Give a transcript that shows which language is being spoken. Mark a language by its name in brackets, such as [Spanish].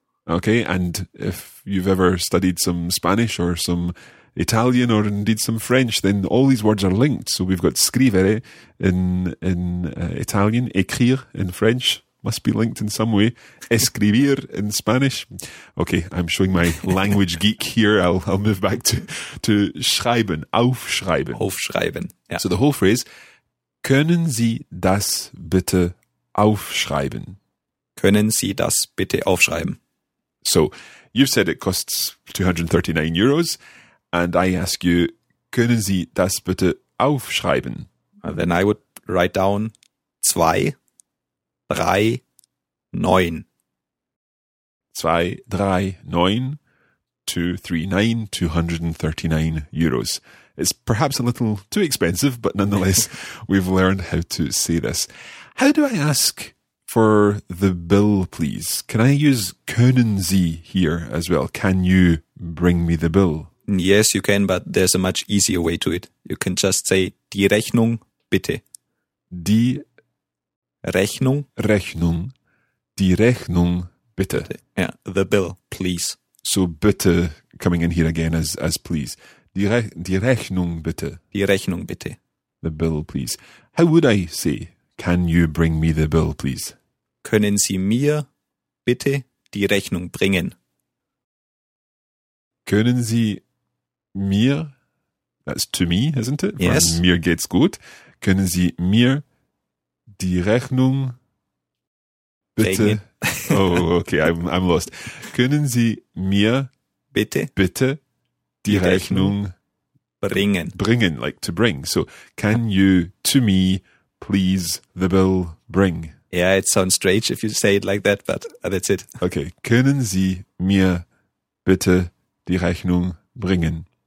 [English] Okay, and if you've ever studied some Spanish or some Italian or indeed some French, then all these words are linked. So we've got scrivere in Italian, écrire in French. Must be linked in some way. Escribir in Spanish. Okay, I'm showing my language geek here. I'll move back to schreiben, aufschreiben. Aufschreiben, yeah. So the whole phrase, [German] können Sie das bitte aufschreiben? Können Sie das bitte aufschreiben? [English] So you've said it costs 239 euros, and I ask you, [German] können Sie das bitte aufschreiben? [English] Then I would write down 2, 3, 9. 2, 3, 9, 2, 3, 9, 239 euros. It's perhaps a little too expensive, but nonetheless, we've learned how to say this. How do I ask for the bill, please? Can I use können Sie here as well? Can you bring me the bill? Yes, you can, but there's a much easier way to it. You can just say [German] die Rechnung, bitte. Die Rechnung. Rechnung. Die Rechnung, bitte. [English] Yeah, the bill, please. So bitte coming in here again as please. [German] Die Rechnung, bitte. Die Rechnung, bitte. [English] The bill, please. How would I say, can you bring me the bill, please? [German] Können Sie mir bitte die Rechnung bringen? [English] Können Sie mir, that's to me, isn't it? Yes. [German] Von mir geht's gut. Können Sie mir die Rechnung bitte? [English] Oh, okay, I'm lost. [German] Können Sie mir bitte die Rechnung bringen? [English] Bringen, like to bring. So, can you to me please the bill bring? Yeah, it sounds strange if you say it like that, but that's it. [German] Okay, können Sie mir bitte die Rechnung bringen?